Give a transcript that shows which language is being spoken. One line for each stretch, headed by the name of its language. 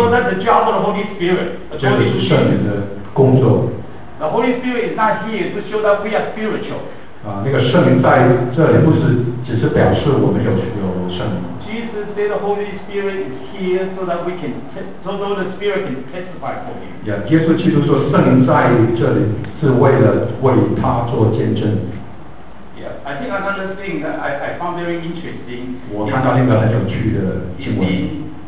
English: Because that's the job of the Holy Spirit.
Chinese: 这个是圣灵的工作。
English: The Holy Spirit is not here to show that we are spiritual.
Chinese: 那个圣灵在这里不是只是表示我们有圣灵。
English: Jesus said the Holy Spirit is here so that we can so the Spirit can testify for you.
Chinese: Yeah, 耶稣基督说圣灵在这里是为了为他做见证。
English: I think another thing that I found very interesting.
Chinese: 我看到另一个很有趣的经文。